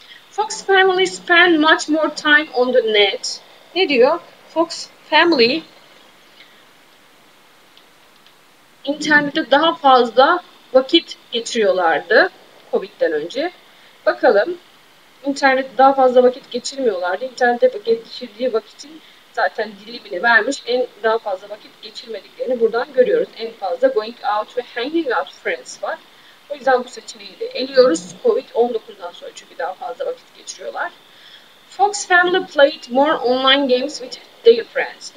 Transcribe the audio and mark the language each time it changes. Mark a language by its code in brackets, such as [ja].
[en] Fox family spend much more time on the net. [tr] Ne diyor? Fox family internette daha fazla vakit geçiriyorlardı COVID'den önce. Bakalım. İnternette daha fazla vakit geçirmiyorlardı. İnternette vakit geçirdiği vakitin zaten dilimini vermiş. En daha fazla vakit geçirmediklerini buradan görüyoruz. En fazla going out ve hanging out friends var. O yüzden bu seçeneği de eliyoruz. COVID-19'dan sonra çünkü daha fazla vakit geçiriyorlar. [en] Fox family played more online games with their friends.